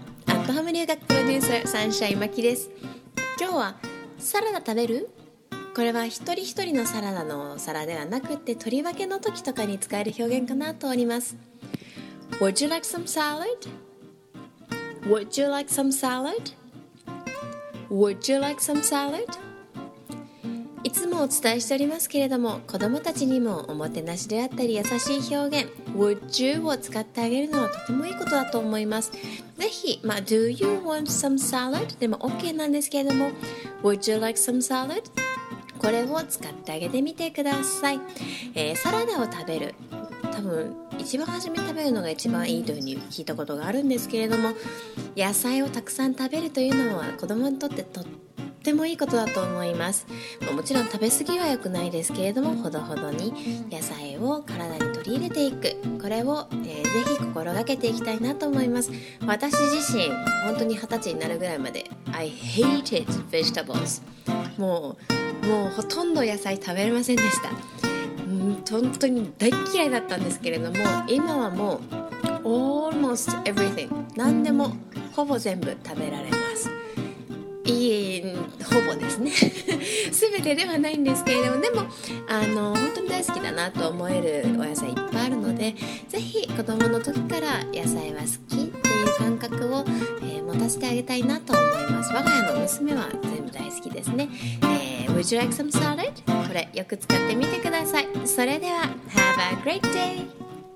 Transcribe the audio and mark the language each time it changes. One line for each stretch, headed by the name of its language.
Japanese: アットホーム留学プロデューサーサンシャイン真希です。今日はサラダ食べる？これは一人一人のサラダの皿ではなくて、とりわけの時とかに使える表現かなと思います。
English: Would you like some salad? Would you like some salad? Would you like some salad?
Japanese: いつもお伝えしておりますけれども、子どもたちにもおもてなしであったり優しい表現
English: Would you
Japanese: を使ってあげるのはとてもいいことだと思います。ぜひ、
English: Do you want some salad?
Japanese: でも OK なんですけれども、
English: Would you like some salad?
Japanese: これを使ってあげてみてください、サラダを食べる、多分一番初め食べるのが一番いいというふうに聞いたことがあるんですけれども、野菜をたくさん食べるというのは子供にとってとってもいいことだと思います。もちろん食べ過ぎは良くないですけれども、ほどほどに野菜を体に取り入れていく、これを、ぜひ心がけていきたいなと思います。私自身本当に二十歳になるぐらいまで
English: I hated vegetables、
Japanese: もうほとんど野菜食べれませんでした。本当に大嫌いだったんですけれども、今はもう
English: almost everything、
Japanese: 何でもほぼ全部食べられます。いい、ほぼですね全てではないんですけれども、でも本当に大好きだなと思えるお野菜いっぱいあるので、ぜひ子供の時から野菜は好きっていう感覚を、持たせてあげたいなと思います。我が家の娘は全部大好きですね。
English: Would you like some salad?
Japanese: これよく使ってみてください。それでは、
English: Have a great day!